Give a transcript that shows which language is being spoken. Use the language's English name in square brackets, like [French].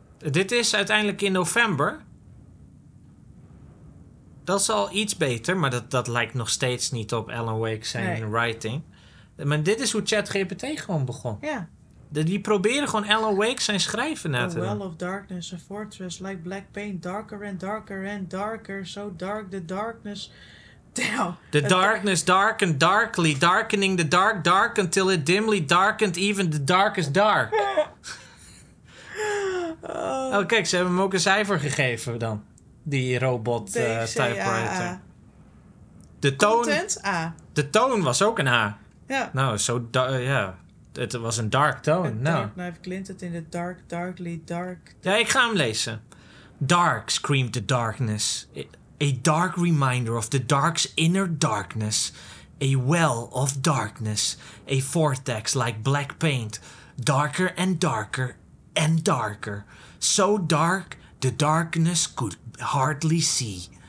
[Dutch] Dit is uiteindelijk in november... Dat is al iets beter, maar dat lijkt nog steeds niet op Alan Wake zijn writing. Maar dit is hoe ChatGPT gewoon begon. Ja. Die proberen gewoon Alan Wake zijn schrijven na te doen. [English] A well of darkness, a fortress like black paint, darker and darker and darker, so dark the darkness. The darkness darkened darkly, darkening the dark until it dimly darkened even the darkest dark. [Dutch] Oh, kijk, ze hebben hem ook een cijfer gegeven dan. Die robot typewriter. De toon. Content A. De toon was ook een A. Ja. Nou, zo. Ja. Het was een dark toon. Nou. Nou, even klinkt het in de [English] darkly dark. [Dutch] Ja, ik ga hem lezen. [English] Dark, screamed the darkness. A dark reminder of the dark's inner darkness. A well of darkness. A vortex like black paint. Darker and darker and darker. So dark, the darkness could hardly see.